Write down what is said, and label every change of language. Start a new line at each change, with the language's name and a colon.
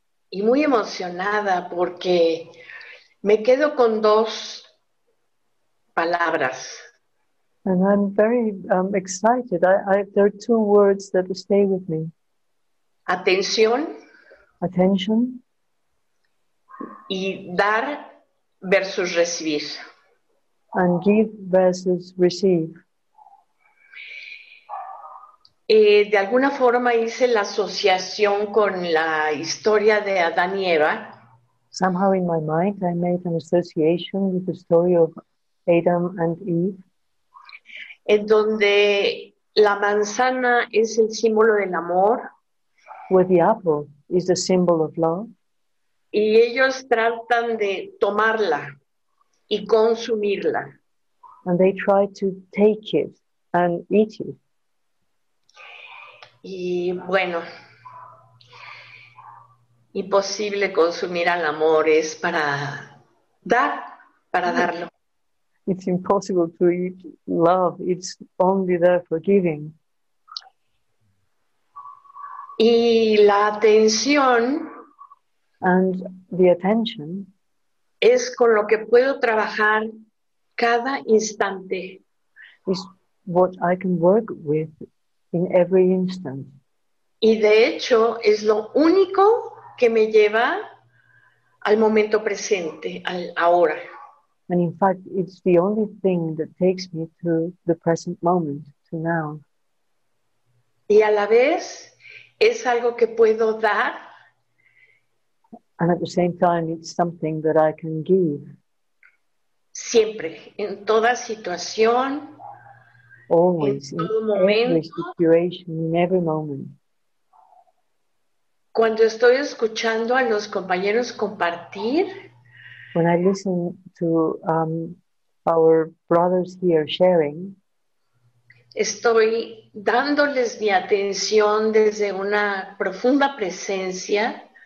Spanish: Y muy emocionada porque me quedo con dos palabras.
English: And I'm very excited. There are two words that stay with me.
Spanish: Atención.
English: Attention.
Spanish: Y dar versus recibir.
English: And give versus receive.
Spanish: De alguna forma hice la asociación con la historia de Adán y Eva.
English: Somehow in my mind I made an association with the story of Adam and Eve.
Spanish: En donde la manzana es el símbolo del amor.
English: Where the apple is the symbol of love.
Spanish: Y ellos tratan de tomarla y consumirla.
English: And they try to take it and eat it.
Spanish: Y bueno, imposible consumir al amor, es para dar, para darlo.
English: It's impossible to eat love. It's only there for giving.
Spanish: Y la atención.
English: And the attention.
Spanish: Es con lo que puedo trabajar cada instante.
English: Is what I can work with in every instant.
Spanish: Y de hecho es lo único que me lleva al momento presente, al ahora.
English: And in fact, it's the only thing that takes me to the present moment, to now.
Spanish: Y a la vez es algo que puedo dar.
English: And at the same time, it's something that I can give.
Spanish: Siempre, en toda situación.
English: Always,
Spanish: en todo momento,
English: every situation, in every moment.
Spanish: Cuando estoy escuchando a los compañeros compartir.
English: When I listen to our brothers here sharing.
Spanish: Estoy dándoles mi atención desde una profunda presencia.